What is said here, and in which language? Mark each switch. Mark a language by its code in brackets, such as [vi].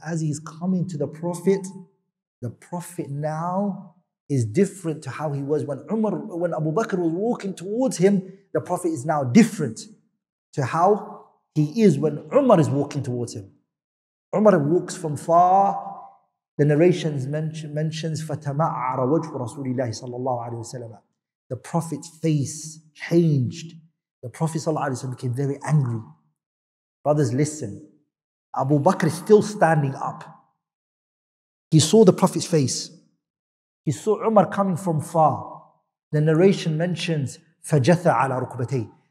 [en] As he's coming to the Prophet now is different to how he was when Abu Bakr was walking towards him. The Prophet is now different to how he is when Umar is walking towards him. Umar walks from far. The narrations mentions [ar] فَتَمَعَّرَ وَجْهُ رَسُولِ اللَّهِ صَلَّى اللَّهُ عَلَيْهِ وَسَلَّمَ. [en] The Prophet's face changed. The Prophet ﷺ became very angry. Brothers, listen. Abu Bakr is still standing up. He saw the Prophet's face. He saw Umar coming from far. The narration mentions [ar] فَجَثَ عَلَى رُكُبَتَيْ.